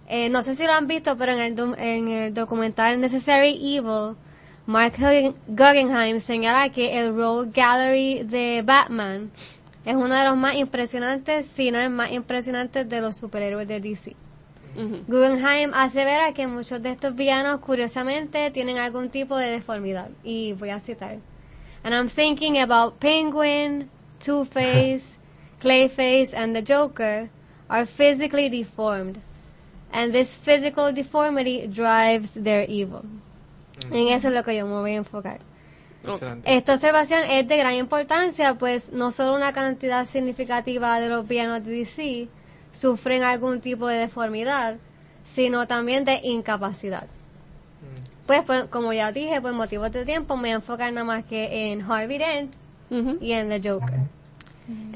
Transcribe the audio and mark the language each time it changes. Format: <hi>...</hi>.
<es>No sé si lo han visto, pero en el documental Necessary Evil, Mark Guggenheim señala que el Rogue Gallery de Batman es uno de los más impresionantes, si no el más impresionante, de los superhéroes de DC. Uh-huh. Guggenheim asevera que muchos de estos villanos, curiosamente, tienen algún tipo de deformidad. Y voy a citar.</es> <en>And I'm thinking about Penguin, Two-Face, Clayface, and the Joker are physically deformed. And this physical deformity drives their evil. Mm-hmm.</en> <es>En eso es lo que yo me voy a enfocar. Excelente. Esta observación es de gran importancia, pues no solo una cantidad significativa de los villanos de DC sufren algún tipo de deformidad, sino también de incapacidad. Mm-hmm. Pues, como ya dije, por motivos de tiempo, me voy a enfocar nada más que en Harvey Dent y en The Joker. Mm-hmm.</es>